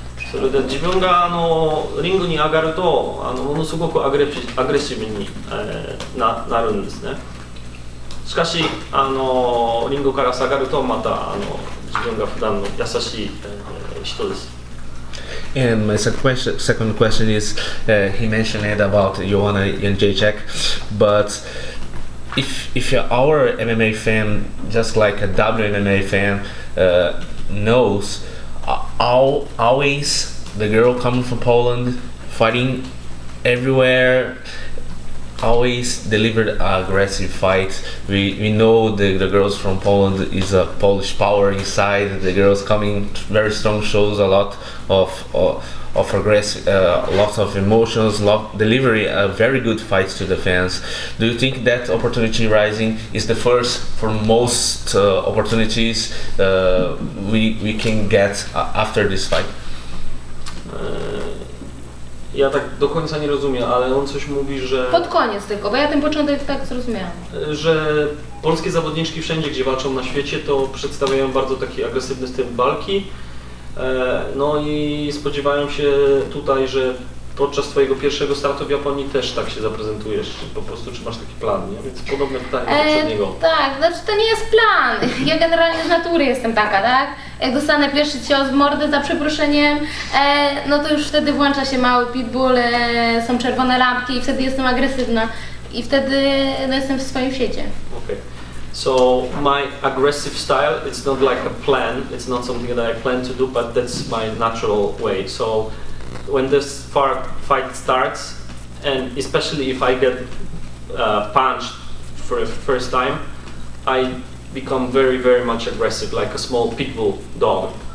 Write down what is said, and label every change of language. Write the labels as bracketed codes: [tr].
[ja] それで自分があのリングに上がるとあのものすごくアグレッシブに、なるんですね。しかしあのリングから下がるとまたあの自分が普段の優しい、人です。 [en] And my second question is, he mentioned about Joanna Jędrzejczyk, but if you're our MMA fan, just like a WMMA fan, knows. Always the girl coming from Poland, fighting everywhere, always delivered aggressive fights. We know the girls from Poland is a Polish power inside. The girls coming very strong, shows a lot of aggressive, lots of emotions, delivering a very good fight to the fans. Do you think that opportunity rising is the first for most opportunities we can get after this fight? [pl] Ja tak do końca nie rozumiem, ale on coś mówi, że... Pod koniec tylko, bo ja ten początek tak zrozumiałam. Że polskie zawodniczki wszędzie, gdzie walczą na świecie, to przedstawiają bardzo taki agresywny styl walki. No i spodziewałem się tutaj, że podczas twojego pierwszego startu w Japonii też tak się zaprezentujesz. Po prostu czy masz taki plan, nie? Więc podobne pytanie do poprzedniego. Tak, znaczy to nie jest plan. Ja generalnie z natury jestem taka, tak? Jak dostanę pierwszy cios w mordę za przeproszeniem, no to już wtedy włącza się mały pitbull, są czerwone lampki i wtedy jestem agresywna. I wtedy no, jestem w swoim świecie. [en] Okay. So my aggressive style, it's not like a plan, it's not something that I plan to do, but that's my natural way. So when this fight starts, and especially if I get punched for the first time, I become very, very much aggressive, like a small pit bull dog.